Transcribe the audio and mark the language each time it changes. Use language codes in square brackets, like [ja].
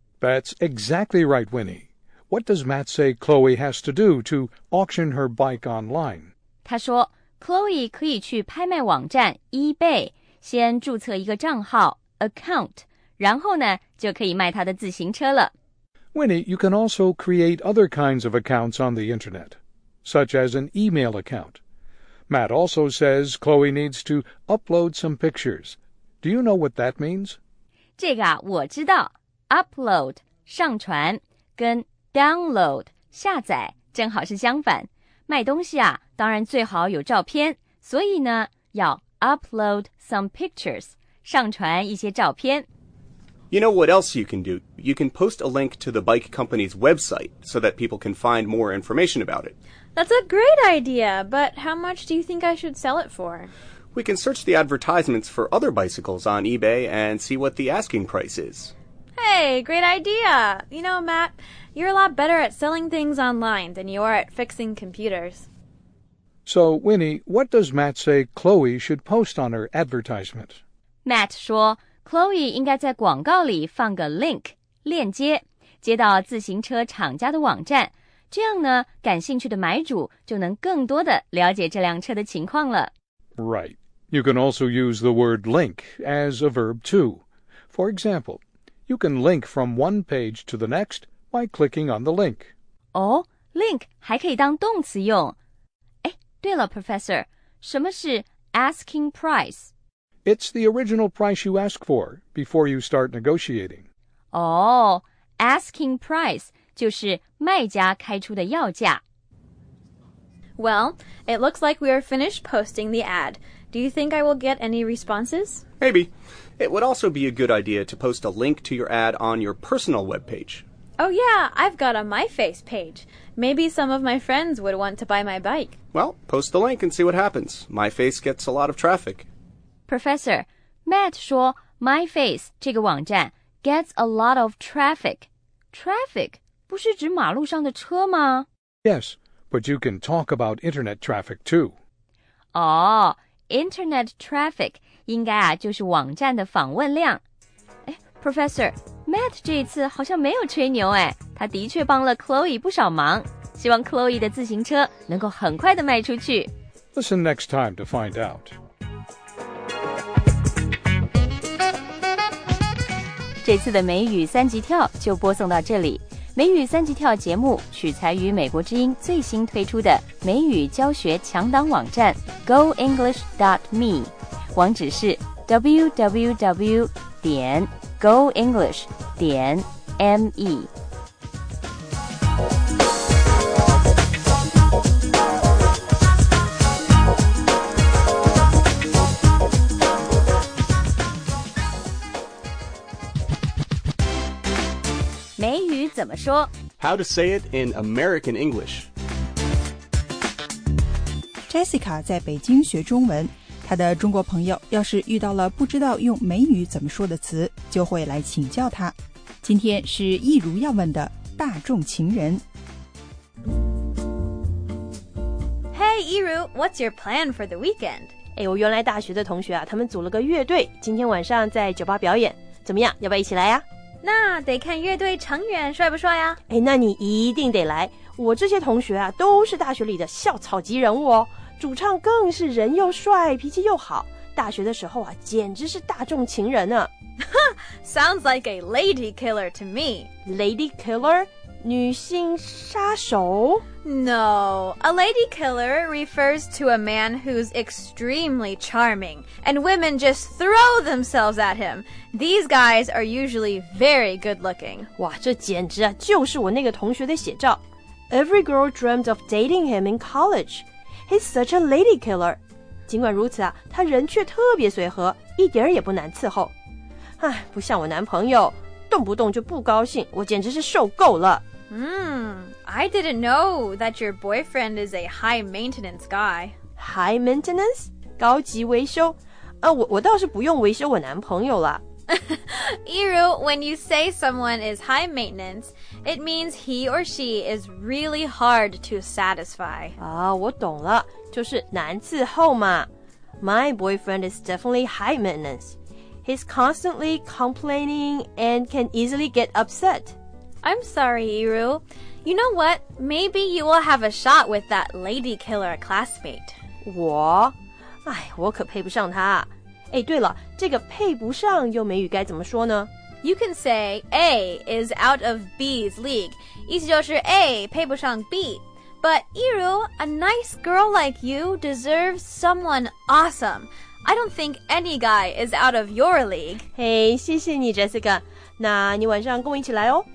[en] That's exactly right, Winnie. What does Matt say Chloe has to do to auction her bike online? [zh] 他说 Chloe 可以去拍卖网站 eBay 先注册一个账号 account, 然后呢就可以卖他的自行车了。 [en] Winnie, you can also create other kinds of accounts on the internet, such as an email account. Matt also says Chloe needs to upload some pictures. Do you know what that means? [zh] 这个啊我知道 ,upload, 上传跟 download, 下载正好是相反。卖东西啊当然最好有照片，所以呢要 [en] upload some pictures, [zh] 上传一些照片。 [en] You know what else you can do? You can post a link to the bike company's website so that people can find more information about it. That's a great idea, but how much do you think I should sell it for? We can search the advertisements for other bicycles on eBay and see what the asking price is. Hey, great idea! You know, Matt, you're a lot better at selling things online than you are at fixing computers. So, Winnie, what does Matt say Chloe should post on her advertisement? [zh] Matt 说 Chloe 应该在广告里放个 link, 链接，接到自行车厂家的网站，这样呢，感兴趣的买主就能更多的了解这辆车的情况了。 [en] Right. You can also use the word link as a verb, too. For example, you can link from one page to the next by clicking on the link. [zh] Oh, link 还可以当动词用。哎，对了 ,Professor, 什么是 asking price? [en] It's the original price you ask for before you start negotiating. [zh] Oh, asking price 就是卖家开出的要价。 [en] Well, it looks like we are finished posting the ad. Do you think I will get any responses? Maybe. It would also be a good idea to post a link to your ad on your personal webpage. Oh yeah, I've got a MyFace page. Maybe some of my friends would want to buy my bike. Well, post the link and see what happens. MyFace gets a lot of traffic. Professor, Matt [zh] 说 [en] MyFace [zh] 这个网站 [en] gets a lot of traffic. [zh] Traffic 不是指马路上的车吗? [en] Yes. But you can talk about internet traffic, too. [zh] Oh, internet traffic 应该啊就是网站的访问量。哎 ,Professor, Matt 这一次好像没有吹牛哎，他的确帮了 Chloe 不少忙，希望 Chloe 的自行车能够很快的卖出去。 [en] Listen next time to find out. [zh] 这次的美语三级跳就播送到这里。美语三级跳节目取材于美国之音最新推出的美语教学强档网站 goenglish.me， 网址是 www.goenglish.me。美语怎么说？ [en] How to say it in American English? [zh] Jessica 在北京学中文，她的中国朋友要是遇到了不知道用美语怎么说的词，就会来请教她。今天是一如要问的大众情人。 [en] Hey, 一如， what's your plan for the weekend? [zh] 哎，我原来大学的同学啊，他们组了个乐队，今天晚上在酒吧表演，怎么样？要不要一起来呀？那得看乐队成员帅不帅呀、啊、诶，那你一定得来，我这些同学啊都是大学里的校草级人物哦，主唱更是人又帅脾气又好，大学的时候啊简直是大众情人啊。 [en] Sounds like a lady killer to me. [zh] Lady killer? 女性杀手？ [en] No, a lady killer refers to a man who's extremely charming, and women just throw themselves at him. These guys are usually very good-looking. [zh] 哇，这简直啊，就是我那个同学的写照。 [en] Every girl dreamed of dating him in college. He's such a lady killer. [zh] 尽管如此啊，他人却特别随和，一点也不难伺候。唉，不像我男朋友，动不动就不高兴，我简直是受够了。 [en] I didn't know that your boyfriend is a high-maintenance guy. [zh] High-maintenance? 高级维修？我倒是不用维修我男朋友了。 [en] Iru, when you say someone is high-maintenance, it means he or she is really hard to satisfy. [zh] 啊，我懂了，就是难伺候嘛。 [en] My boyfriend is definitely high-maintenance. He's constantly complaining and can easily get upset. I'm sorry, Iru. You know what? Maybe you will have a shot with that lady killer classmate. [zh] 我？哎，我可配不上他。哎，对了，这个配不上用美语该怎么说呢？ [en] You can say A is out of B's league. [zh] 意思就是 A 配不上 B. [en] But Iru, a nice girl like you deserves someone awesome. I don't think any guy is out of your league. [zh] 嘿，谢谢你 ,Jessica。那你晚上跟我一起来哦。